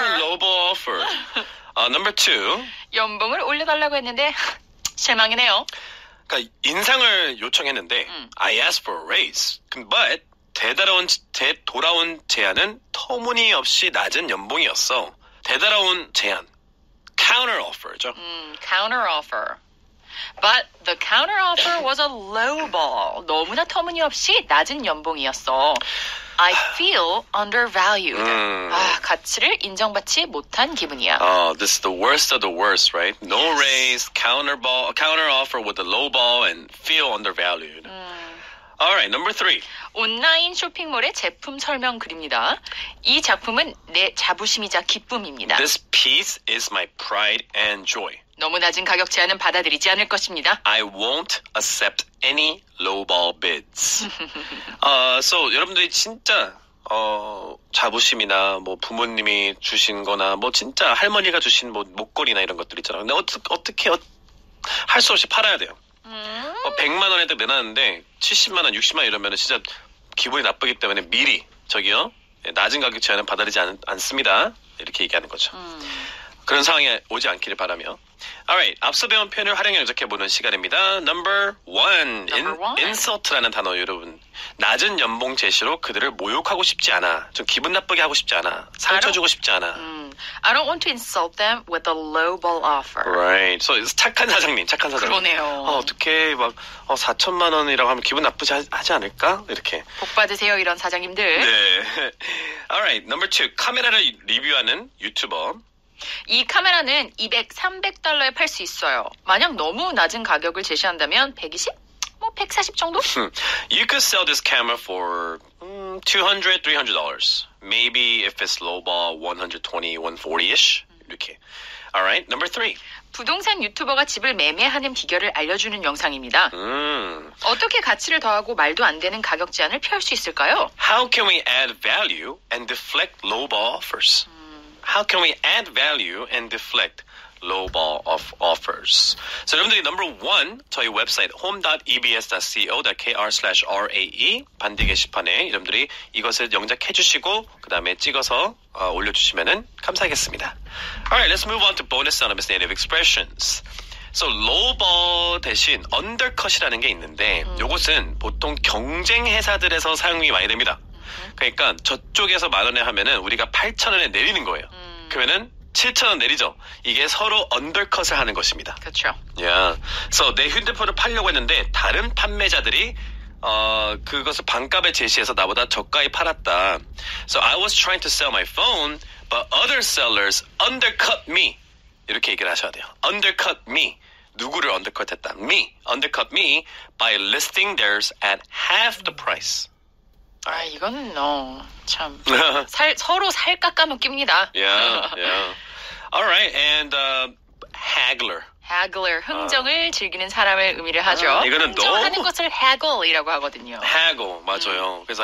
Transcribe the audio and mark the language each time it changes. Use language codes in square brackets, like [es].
[en] What a lowball offer. Number two. [ko] 연봉을 올려달라고 했는데 실망이네요. 그러니까 인상을 요청했는데 [en] I asked for a raise. [ko] But 되돌아온 제안은 터무니없이 낮은 연봉이었어. 되돌아온 제안. Counter offer죠. [en] Counter offer. But the counter offer was a low ball. [ko] 너무나 터무니없이 낮은 연봉이었어. [en] I feel undervalued. [ko] 가치를 인정받지 못한 기분이야. [en] Oh, this is the worst of the worst, right? No yes. raise, counter offer with a low ball and feel undervalued. All right, number three. [ko] 온라인 쇼핑몰의 제품 설명 글입니다. 이 작품은 내 자부심이자 기쁨입니다. [en] This piece is my pride and joy. [ko] 너무 낮은 가격 제안은 받아들이지 않을 것입니다. [en] I won't accept any lowball bids. [ko] So 여러분들이 진짜 자부심이나 뭐 부모님이 주신 거나 뭐 진짜 할머니가 주신 뭐 목걸이나 이런 것들 있잖아요. 근데 어떻게 할 수 없이 팔아야 돼요. 100만 원에다 내놨는데 70만 원, 60만 원 이러면 진짜 기분이 나쁘기 때문에 미리 저기요. 낮은 가격 제한은 받아들이지 않습니다. 이렇게 얘기하는 거죠. 그런 상황에 오지 않기를 바라며. Alright, 앞서 배운 표현을 활용해 적혀보는 시간입니다. Number one. Insult라는 단어 여러분. 낮은 연봉 제시로 그들을 모욕하고 싶지 않아. 좀 기분 나쁘게 하고 싶지 않아. 상처 주고 싶지 않아. [en] I don't want to insult them with a lowball offer. Right. [ko] So 착한 사장님, 착한 사장님. 그러네요. 어떻게 막 4천만 원이라고 하면 기분 나쁘지 하지 않을까? 이렇게. 복 받으세요, 이런 사장님들. 네. [en] Alright, number two. [ko] 카메라를 리뷰하는 유튜버. 이 카메라는 200, 300달러에 팔 수 있어요. 만약 너무 낮은 가격을 제시한다면 120? 뭐 140 정도? [en] You could sell this camera for $200, $300. Maybe if it's lowball, $120, $140-ish. [ko] 이렇게. [en] Alright, number three. [ko] 부동산 유튜버가 집을 매매하는 비결을 알려주는 영상입니다. 어떻게 가치를 더하고 말도 안 되는 가격 제한을 피할 수 있을까요? [en] How can we add value and deflect lowball offers? How can we add value and deflect lowball of offers? [ko] So, 여러분들이 number one, 저희 웹사이트 home.ebs.co.kr/rae 반대 게시판에 여러분들이 이것을 영작해 주시고 그 다음에 찍어서 올려주시면 감사하겠습니다. [en] Alright, let's move on to bonus synonymous native expressions. So, [ko] lowball 대신 undercut이라는 게 있는데 이것은 보통 경쟁 회사들에서 사용이 많이 됩니다. 그러니까 저쪽에서 만 원에 하면은 우리가 8천 원에 내리는 거예요. 그러면은 7천 원 내리죠. 이게 서로 언더컷을 하는 것입니다. 그렇죠. 야, yeah. so 내 휴대폰을 팔려고 했는데 다른 판매자들이 그것을 반값에 제시해서 나보다 저가에 팔았다. [en] So I was trying to sell my phone, but other sellers undercut me. [ko] 이렇게 얘기를 하셔야 돼요. [en] Undercut me. [ko] 누구를 언더컷했다? [en] Me. Undercut me by listing theirs at half the price. [ko] 아, 이거는 참 서로 살 깎아먹깁니다. [en] Yeah, yeah. All right, and haggler. [ko] Haggler, 흥정을 즐기는 사람을 의미를 하죠. 이거는 흥정하는 너무... 것을 haggle이라고 하거든요. Haggle, 맞아요. 그래서